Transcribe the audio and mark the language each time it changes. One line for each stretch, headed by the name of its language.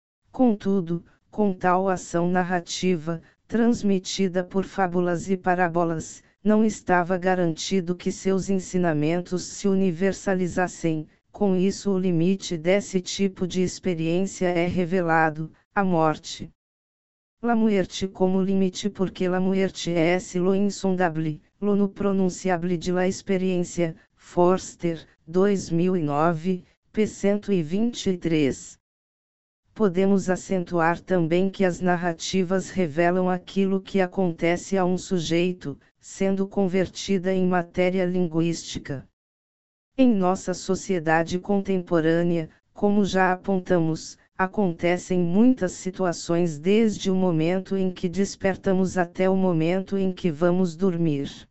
Portuguese: Contudo, com tal ação narrativa, transmitida por fábulas e parábolas, não estava garantido que seus ensinamentos se universalizassem. Com isso, o limite desse tipo de experiência é revelado, a morte.
Spanish: La muerte como limite, porque la muerte es lo insondable, lo no pronunciable de la experiencia, Forster, 2009, p. 123.
Portuguese: Podemos acentuar também que as narrativas revelam aquilo que acontece a um sujeito, sendo convertida em matéria linguística. Em nossa sociedade contemporânea, como já apontamos, acontecem muitas situações desde o momento em que despertamos até o momento em que vamos dormir.